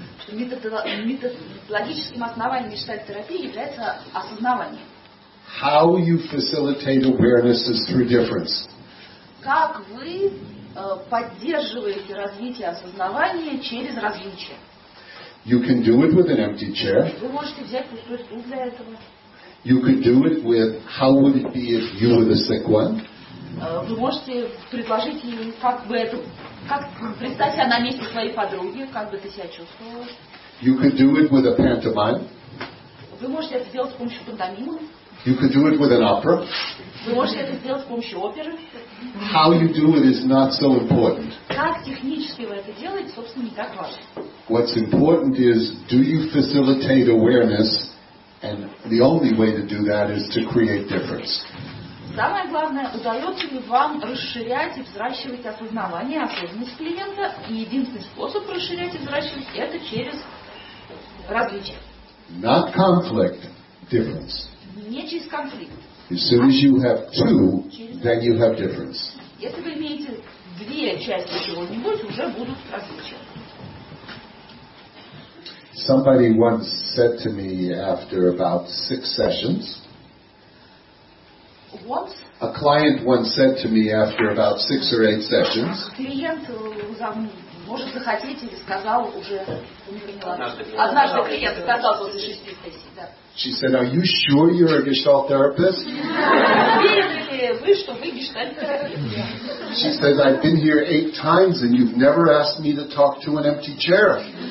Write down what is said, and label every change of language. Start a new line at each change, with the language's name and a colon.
Russian: Методологическим основанием Gestalt терапии является осознавание.
English: How you facilitate awareness is through difference.
Russian: Как вы поддерживаете развитие осознавания через различие?
English: You can do it with an empty chair.
Russian: Вы можете взять пустой стул для этого.
English: You could do it with how would it be if you were the sick one?
Russian: Вы можете предложить ей, как бы это, как представь себя на месте своей подруги, как бы ты себя чувствовала?
English: You could do it with a pantomime.
Russian: Вы можете это сделать с помощью пантомимы.
English: You could do it with an opera.
Russian: Вы можете это сделать с помощью оперы.
English: How you do it is not so important.
Russian: Как технически вы это делаете, собственно, не так важно.
English: What's important is, do you facilitate awareness? And the only way to do that is to create difference.
Russian: Самое главное, удается ли вам расширять и взращивать осознавание, осознанность клиента, и единственный способ расширять и взращивать это через различие.
English: Not conflict, difference.
Russian: Не через конфликт.
English: As soon as you have two, then you have difference.
Russian: Если вы имеете две части чего-нибудь, уже будут различия.
English: Somebody once said to me after about six sessions. What? A client once said to me after about six or eight sessions.
Russian: Клиент может захотеть или сказал уже. Однажды клиент сказал после шести сессий.
English: She said, "Are you sure you're a Gestalt therapist?" She says, "I've been here eight times and you've never asked me to talk to an empty chair."